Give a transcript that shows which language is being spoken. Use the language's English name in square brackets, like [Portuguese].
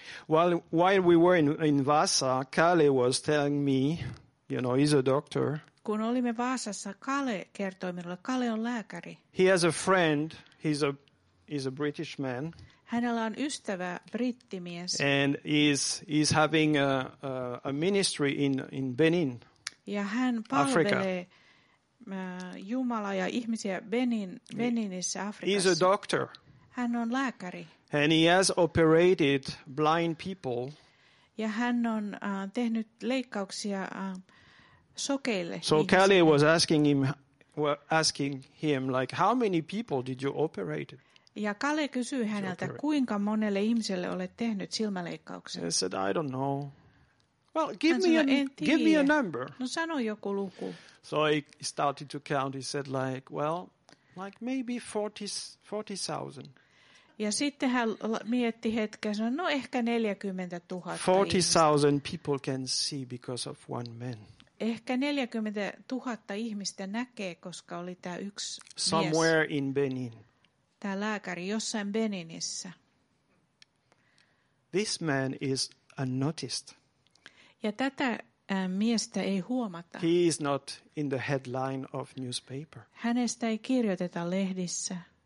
[English] While we were in Vaasa, Kale was telling me, you know, he's a doctor. [Finnish] Kun olimme Vaasassa, Kale kertoi minulle, Kale on lääkäri. [English] He has a friend, he's a British man. [Finnish] Hänellä on ystävä, brittimies. [English] And he's having a ministry in Benin. [Finnish] Ja hän palvelee Jumala ja ihmisiä Beninissä Afrikassa. [English] He's a doctor. [Finnish] Hän on lääkäri. [English] And he has operated blind people. [Finnish] Ja hän on tehnyt leikkauksia sokeille. [English] So Kelly was asking him like how many people did you operate? [Finnish] Ja Kale kysyi häneltä kuinka monelle ihmiselle olet tehnyt silmäleikkauksen. [English] He said I don't know. Well, give me a number. [Finnish] No sano joku luku. [English] So he started to count. He said like, well, like maybe 40,000. [Finnish] Ja sitten hän mietti hetken, sanoi, no ehkä 40 000. [English] 40,000 people can see because of one man. [Finnish] Ehkä 40 000 ihmistä näkee, koska oli tämä yksi [English] somewhere [Finnish] mies. [English] Somewhere in Benin. [Finnish] tämä lääkäri jossain Beninissä. [English] This man is unnoticed. [Finnish] Ja tätä miestä ei huomata. [English] He is not in the headline of newspaper. [Finnish] Hänestä ei kirjoiteta lehdissä.